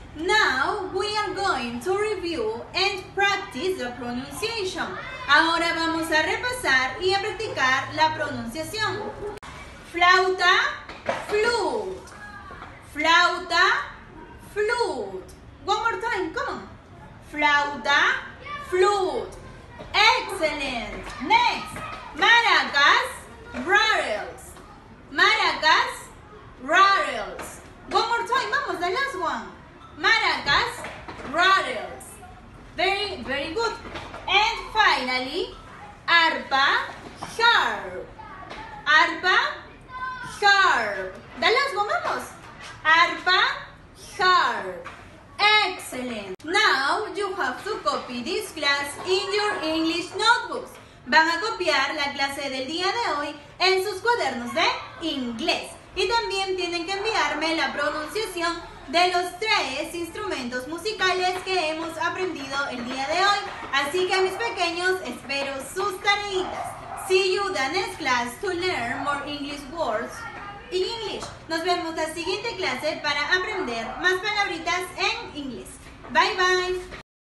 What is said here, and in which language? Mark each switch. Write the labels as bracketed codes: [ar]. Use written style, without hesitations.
[en] Now we are going to review and practice the pronunciation. [es] Ahora vamos a repasar y a practicar la pronunciación. [en] Flauta, flute. Flauta, flute. One more time, come on. Flauta, flute. Excellent. Next. Maracas, rattles. Maracas, rattles. One more time, vamos, the last one. Maracas, rattles. Very, very good. And finally, arpa, harp. [es] Arpa, harp. Dale, vamos. [en] Arpa, harp. Excellent. Now you have to copy this class in your English notebooks. [es] Van a copiar la clase del día de hoy en sus cuadernos de inglés. Y también tienen que enviarme la pronunciación de los tres instrumentos musicales que hemos aprendido el día de hoy. Así que, mis pequeños, espero sus tareitas. [en] See you the next class to learn more English words in English. [es] Nos vemos la siguiente clase para aprender más palabritas en inglés. [en] Bye, bye.